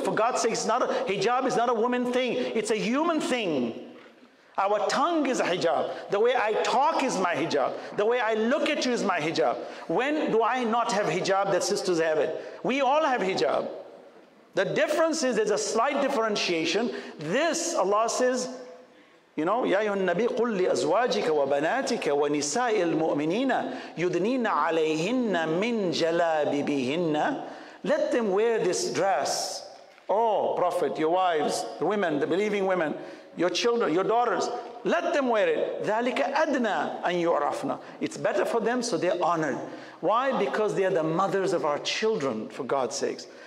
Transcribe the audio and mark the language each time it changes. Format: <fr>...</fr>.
<en>For God's sake, hijab is not a woman thing. It's a human thing. Our tongue is a hijab. The way I talk is my hijab. The way I look at you is my hijab. When do I not have hijab that sisters have it? We all have hijab. The difference is there's a slight differentiation. This, Allah says, You know,</en> <ar>يا أيها النبي قل لأزواجك وبناتك ونساء المؤمنين يدنين عليهن من جلابيبهن.</ar> <en>Let them wear this dress. Oh, Prophet, your wives, the women, the believing women, your children, your daughters, let them wear it.</en> <ar>ذلك أدنى أن يعرفنا.</ar> <en>It's better for them so they're honored. Why? Because they are the mothers of our children, for God's sakes.</en>